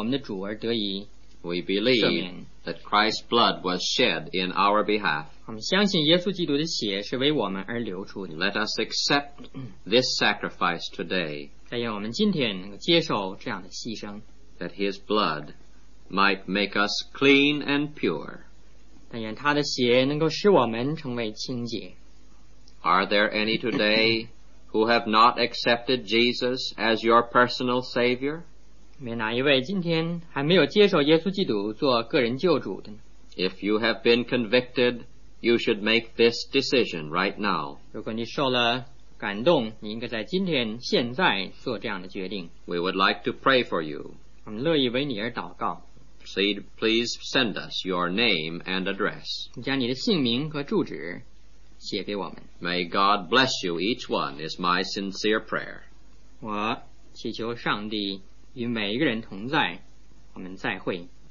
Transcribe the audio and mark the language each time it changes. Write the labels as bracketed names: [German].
[English] We believe that Christ's blood was shed in our behalf. Let us accept this sacrifice today, that his blood might make us clean and pure. [Chinese] 但愿他的血能够使我们成为清洁。 [English] Are there any today who have not accepted Jesus as your personal Savior? [Chinese] 没哪一位今天还没有接受耶稣基督做个人救主的呢？ [English] If you have been convicted, you should make this decision right now. [Chinese] 如果你受了感动，你应该在今天现在做这样的决定。 [English] We would like to pray for you. [Chinese] 我们乐意为你而祷告。 [English] Please send us your name and address. [Chinese] 你将你的姓名和住址写给我们。 [English] May God bless you each one is my sincere prayer. [Chinese] 我祈求上帝与每一个人同在，我们再会。